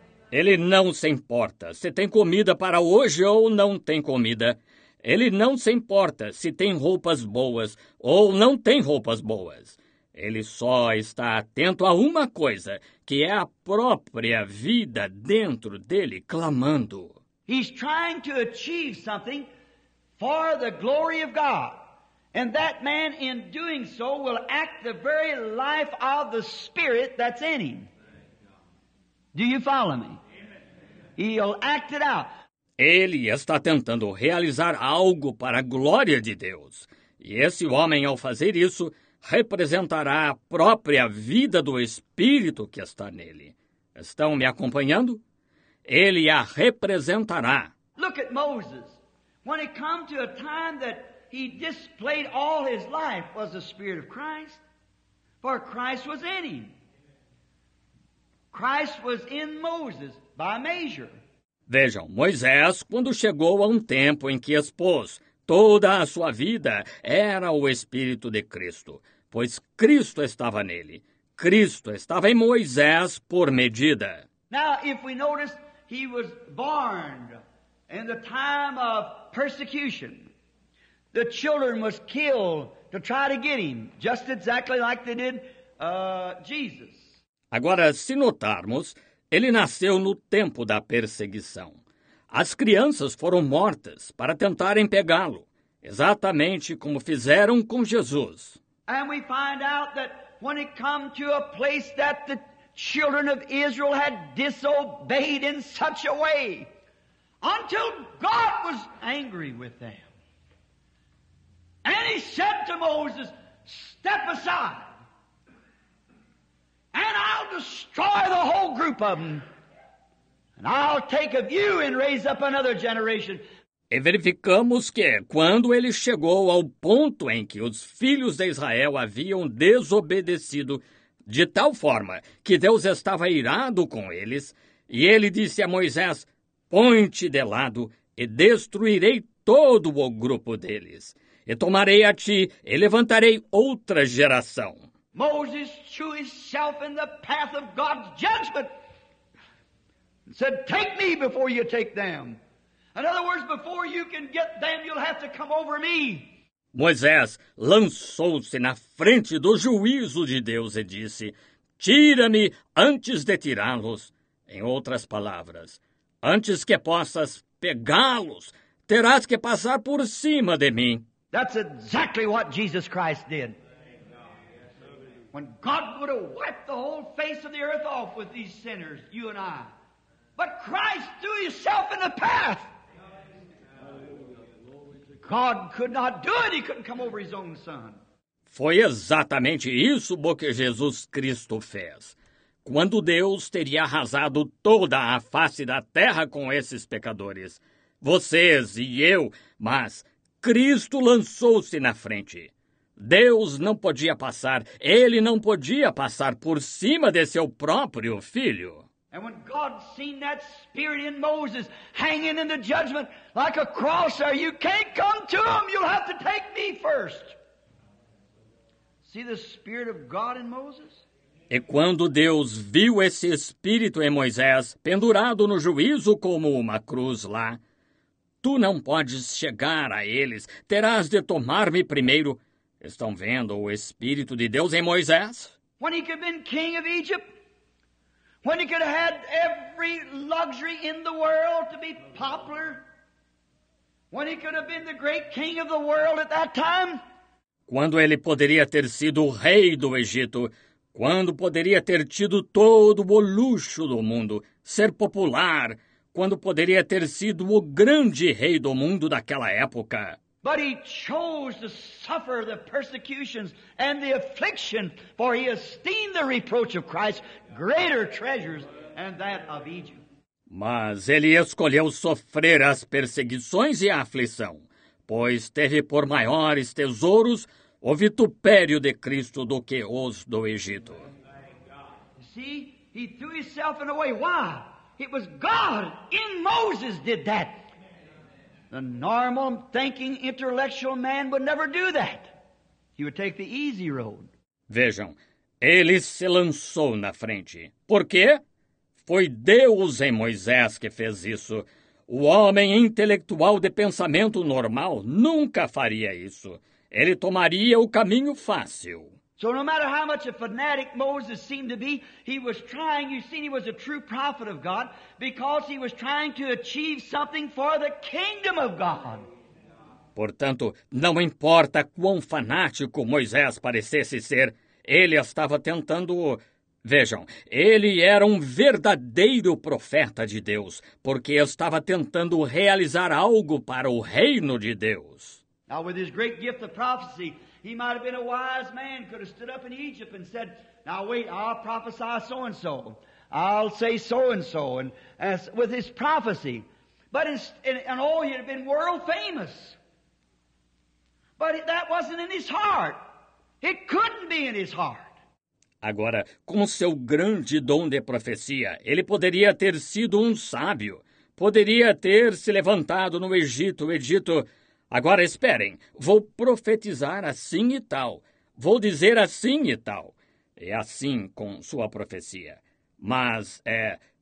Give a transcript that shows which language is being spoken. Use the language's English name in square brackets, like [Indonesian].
[Portuguese] Ele não se importa se tem comida para hoje ou não tem comida. Ele não se importa se tem roupas boas ou não tem roupas boas. Ele só está atento a uma coisa, que é a própria vida dentro dele clamando. [English] He's trying to achieve something for the glory of God. And that man in doing so will act the very life of the Spirit that's in him. Do you follow me? He'll act it out. [Portuguese] Ele está tentando realizar algo para a glória de Deus. E esse homem, ao fazer isso, representará a própria vida do Espírito que está nele. Estão me acompanhando? Ele a representará. [English] Look at Moses. When it came to a time that he displayed all his life was the Spirit of Christ, for Christ was in him. Christ was in Moses by measure. [Portuguese] Vejam, Moisés, quando chegou a um tempo em que expôs toda a sua vida, era o Espírito de Cristo, pois Cristo estava nele. Cristo estava em Moisés por medida. [English] Now, if we notice, he was born in the time of persecution. The children was killed to try to get him, just exactly like they did Jesus. [Portuguese] Agora, se notarmos, ele nasceu no tempo da perseguição. As crianças foram mortas para tentarem pegá-lo, exatamente como fizeram com Jesus. [English] And we find out that when it come to a place that the children of Israel had disobeyed in such a way, until God was angry with them. And he said to Moses, step aside, and I'll destroy the whole group of them. And I'll take of you and raise up another generation. [Portuguese] E verificamos que, quando ele chegou ao ponto em que os filhos de Israel haviam desobedecido de tal forma que Deus estava irado com eles, e ele disse a Moisés, põe-te de lado e destruirei todo o grupo deles, e tomarei a ti e levantarei outra geração. [English] Moses threw himself in the path of God's judgment. Said, take me before you take them. In other words, before you can get them, you'll have to come over me. [Portuguese] Moisés lançou-se na frente do juízo de Deus e disse, tira-me antes de tirá-los. Em outras palavras, antes que possas pegá-los, terás que passar por cima de mim. [English] That's exactly what Jesus Christ did. When God would have wiped the whole face of the earth off with these sinners, you and I. But Christ threw himself in the path. God could not do it. He couldn't come over his own son. [Portuguese] Foi exatamente isso que Jesus Cristo fez. Quando Deus teria arrasado toda a face da terra com esses pecadores, vocês e eu, mas Cristo lançou-se na frente. Deus não podia passar, ele não podia passar por cima de seu próprio filho. [English] And when God seen that spirit in Moses hanging in the judgment like a cross there, you can't come to him, you'll have to take me first. See the spirit of God in Moses? [Portuguese] E quando Deus viu esse espírito em Moisés, pendurado no juízo como uma cruz lá, tu não podes chegar a eles, terás de tomar-me primeiro. Estão vendo o espírito de Deus em Moisés? [English] When he could have been king of Egypt, when he could have had every luxury in the world to be popular, when he could have been the great king of the world at that time. [Portuguese] Quando ele poderia ter sido o rei do Egito, quando poderia ter tido todo o luxo do mundo, ser popular, quando poderia ter sido o grande rei do mundo daquela época. [English] But he chose to suffer the persecutions and the affliction, for he esteemed the reproach of Christ greater treasures than that of Egypt. [Portuguese] Mas ele escolheu sofrer as perseguições e a aflição, pois teve por maiores tesouros o vitupério de Cristo do que os do Egito. [English] You see, he threw himself in a way. Why? It was God in Moses did that. The normal thinking intellectual man would never do that. He would take the easy road. [Portuguese] Vejam, ele se lançou na frente. Por quê? Foi Deus em Moisés que fez isso. O homem intelectual de pensamento normal nunca faria isso. Ele tomaria o caminho fácil. [English] So no matter how much a fanatic Moses seemed to be, he was trying, you see, he was a true prophet of God, because he was trying to achieve something for the kingdom of God. [Portuguese] Portanto, não importa quão fanático Moisés parecesse ser, ele estava tentando... Vejam, ele era um verdadeiro profeta de Deus, porque estava tentando realizar algo para o reino de Deus. [English] Now with his great gift of prophecy, he might have been a wise man, could have stood up in Egypt and said, now wait, I'll prophesy so-and-so, I'll say so-and-so, and as with his prophecy. But he'd have been world famous. But that wasn't in his heart. It couldn't be in his heart. [Portuguese] Agora, com seu grande dom de profecia, ele poderia ter sido um sábio. Poderia ter se levantado no Egito e dito... Agora esperem, vou profetizar assim e tal, vou dizer assim e tal. É assim com sua profecia. Mas é...